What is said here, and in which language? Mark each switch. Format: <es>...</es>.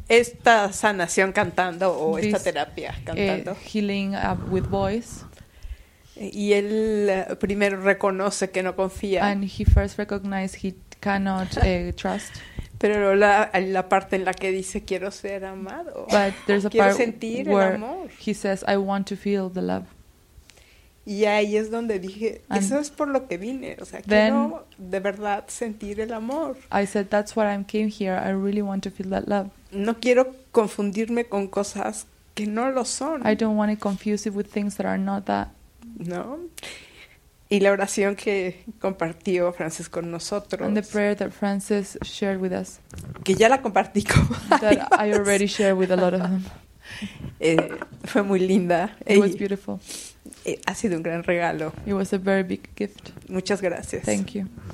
<es>Esta sanación cantando o</es> <en>this,</en> <es>esta terapia cantando.</es> <en>Healing up with voice.</en> <es>Y él primero reconoce que no confía.</es> <en>And he first recognized he cannot trust.</en> <es>Pero la parte en la que dice quiero ser amado.</es> <en>But there's a</en> <es>quiero</es> <en>part</en> <es>sentir</es> <en>where</en> <es>el amor.</es> <en>He says I want to feel the love.</en> <es>Y ahí es donde dije, and eso es por lo que vine, o sea, quiero de verdad sentir el amor.</es> <en>I said that's why I came here. I really want to feel that love.</en> <es>No quiero confundirme con cosas que no lo son.</es> <en>I don't want to confuse it with things that are not that.</en> <es>No. Y la oración que compartió Frances con nosotros.</es> <en>And the prayer that Frances shared with us.</en> <es>Que ya la compartí con varios.</es> <en>That I already shared with a lot of them.</en> <es>Fue muy linda.</es> <en>It was beautiful.</en> <es>Ha sido un gran regalo.</es> <en>It was a very big gift.</en> <es>Muchas gracias.</es> <en>Thank you.</en>